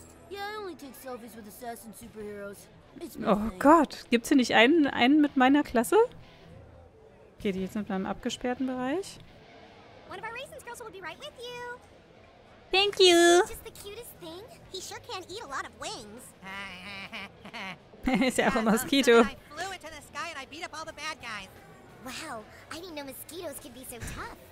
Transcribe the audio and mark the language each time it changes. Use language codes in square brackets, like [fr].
[en] Yeah, I only take selfies with assassin superheroes. [de] Oh Gott, gibt's hier nicht einen mit meiner Klasse? Okay, die jetzt mit meinem abgesperrten Bereich. [en] One of our reasons girls will be right with you. Thank you. Just the cutest thing. He sure can eat a lot of wings. [de] Ist ja auch ein Mosquito. [en] I flew into the sky and I beat up all the bad guys. Wow, I didn't know mosquitoes could be so tough.